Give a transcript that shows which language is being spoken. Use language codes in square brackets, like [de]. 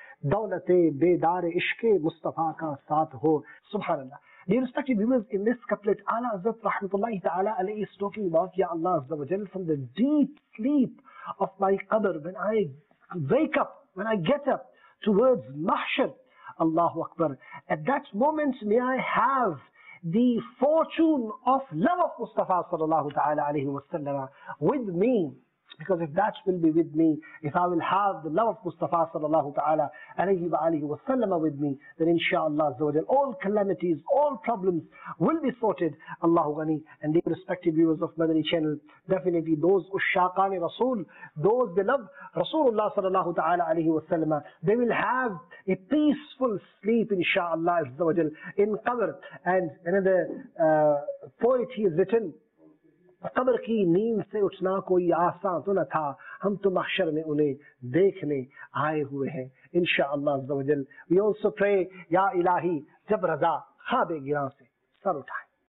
[ur] دولت بیدار عشق مصطفیٰ کا ساتھ ہو. سبحان اللہ. [en] Dear respected viewers, in this couplet, Ala Azat Rahmatullahi Ta'ala Alayhi is talking about, Ya Allah Azza wa Jal, from the deep sleep of my qadr, when I wake up, when I get up towards Mahshar, Allahu Akbar, at that moment may I have the fortune of love of Mustafa Sallallahu Ta'ala Alayhi wa Sallam with me. Because if that will be with me, if I will have the love of Mustafa sallallahu ta'ala alayhi wa alihi wa sallam with me, then inshallah all calamities, all problems will be sorted. Allahu ghani. And dear respected viewers of Madani channel, definitely those ushaqani rasul, those they love Rasulullah sallallahu ta'ala alayhi wa sallam, they will have a peaceful sleep inshallah in qabr. And another poet he has written, [ur] قبر کی نیند سے اٹھنا کوئی آسان تو نہ تھا, ہم تو محشر میں انہیں دیکھنے آئے ہوئے ہیں. انشاءاللہ عزوجل. [en] We also pray, [ur] یا الہی جب رضا خواب گراں سے سر اٹھائے.